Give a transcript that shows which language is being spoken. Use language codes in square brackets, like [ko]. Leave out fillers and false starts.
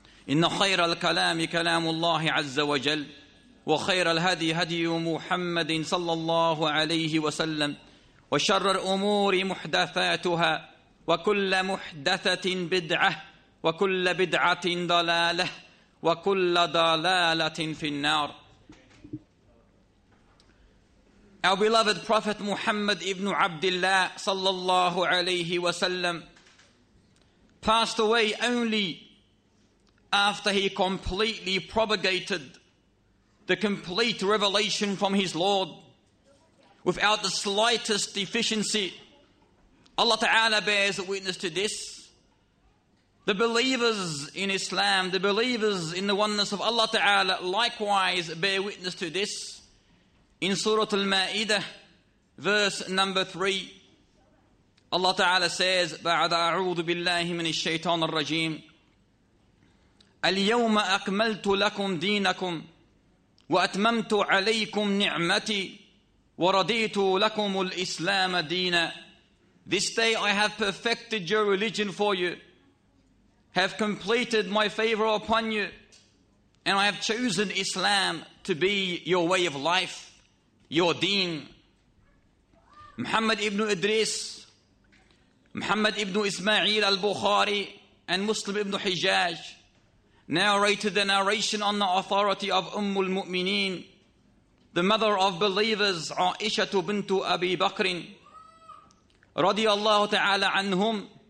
[ar] إن خير الكلام كلام الله عز وجل وخير الهدي هدي محمد صلى الله عليه وسلم وشر الأمور محدثاتها وكل محدثة بدعة وكل بدعة ضلالة وكل ضلالة في النار. [en] Our beloved Prophet Muhammad ibn Abdullah sallallahu alayhi wa sallam passed away only after he completely propagated the complete revelation from his Lord without the slightest deficiency. Allah Ta'ala bears witness to this. The believers in Islam, the believers in the oneness of Allah Ta'ala, likewise bear witness to this. In Surah Al-Ma'idah, verse number 3, Allah Ta'ala says, [ar] بَعْدَ أَعُوذُ بِاللَّهِ مِنِ الشَّيْطَانِ الرَّجِيمِ الْيَوْمَ أَكْمَلْتُ لَكُمْ دِينَكُمْ وَأَتْمَمْتُ عَلَيْكُمْ نِعْمَتِي وَرَضِيتُ لَكُمُ الْإِسْلَامَ دِينًا. [en] This day I have perfected your religion for you, have completed my favor upon you, and I have chosen Islam to be your way of life, your deen. Muhammad ibn Idris, Muhammad ibn Ismail al-Bukhari, and Muslim ibn Hijaj narrated the narration on the authority of Ummul Mu'mineen, the mother of believers, Aisha bint Abi Bakr, radiallahu ta'ala anhum,